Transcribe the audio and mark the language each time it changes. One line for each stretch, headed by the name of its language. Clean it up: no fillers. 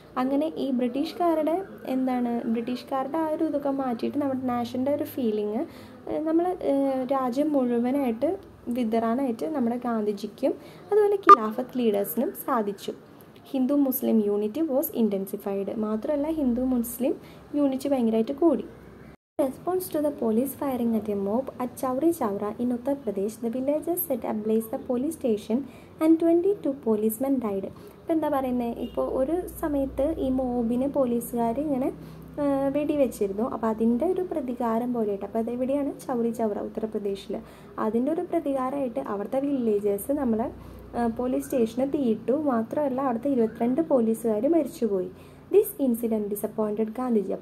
Malayalam: അങ്ങനെ ഈ ബ്രിട്ടീഷുകാരുടെ എന്താണ് ആ ഒരു ഇതൊക്കെ മാറ്റിയിട്ട് നമ്മുടെ നാഷൻ്റെ ഒരു ഫീലിംഗ് നമ്മൾ രാജ്യം മുഴുവനായിട്ട് വിതറാനായിട്ട് നമ്മുടെ ഗാന്ധിജിക്കും അതുപോലെ ഖിലാഫത്ത് ലീഡേഴ്സിനും സാധിച്ചു.
English: Hindu Muslim unity was intensified.
Malayalam: മാത്രമല്ല ഹിന്ദു മുസ്ലിം യൂണിറ്റി ഭയങ്കരമായിട്ട് കൂടി.
English: Response to the police firing at a mob at Chauri Chaura in Uttar Pradesh, the villagers set ablaze the police station and 22 policemen died.
Malayalam: ഇപ്പം എന്താ പറയുന്നത്, ഇപ്പോൾ ഒരു സമയത്ത് ഈ മോബിനെ പോലീസുകാർ ഇങ്ങനെ വെടിവെച്ചിരുന്നു. അപ്പോൾ അതിൻ്റെ ഒരു പ്രതികാരം പോലെയായിട്ട്, അപ്പോൾ അത് എവിടെയാണ്, ചൗരി ചൗറ ഉത്തർപ്രദേശിൽ, അതിൻ്റെ ഒരു പ്രതികാരമായിട്ട് അവിടുത്തെ വില്ലേജേഴ്സ് നമ്മളെ പോലീസ് സ്റ്റേഷന് തീയിട്ടു. മാത്രമല്ല അവിടുത്തെ 22 പോലീസുകാർ മരിച്ചുപോയി.
English: This incident disappointed Gandhiji.